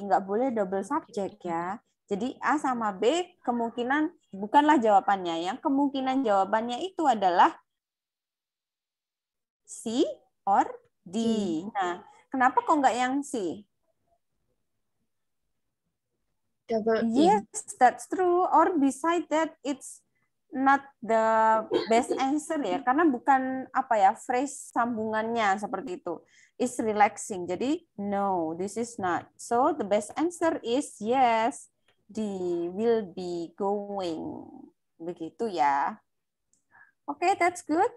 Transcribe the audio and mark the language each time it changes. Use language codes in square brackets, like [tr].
[id] Nggak boleh double subject ya. Jadi A sama B kemungkinan bukanlah jawabannya. Yang kemungkinan jawabannya itu adalah C or D. Nah, kenapa kok nggak yang C? Double. [en] Yes, that's true. Or beside that, it's not the best answer ya. [id] Karena bukan apa ya phrase sambungannya seperti itu. [en] It's relaxing. [id] Jadi [en] no, this is not. So the best answer is yes. D will be going. [id] begitu ya. [en] Okay, that's good.